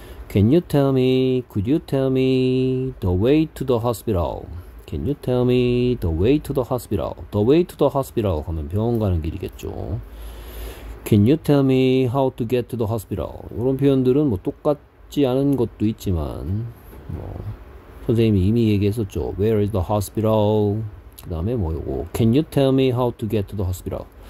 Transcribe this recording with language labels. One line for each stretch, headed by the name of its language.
English: Can you tell me, could you tell me the way to the hospital? Can you tell me the way to the hospital? The way to the hospital 하면 병원 가는 길이겠죠. Can you tell me how to get to the hospital?
Korean: 이런 표현들은 뭐 똑같지 않은 것도 있지만, 뭐 선생님이 이미 얘기했었죠.
English: Where is the hospital? 그 다음에 뭐 요거. Can you tell me how to get to the hospital?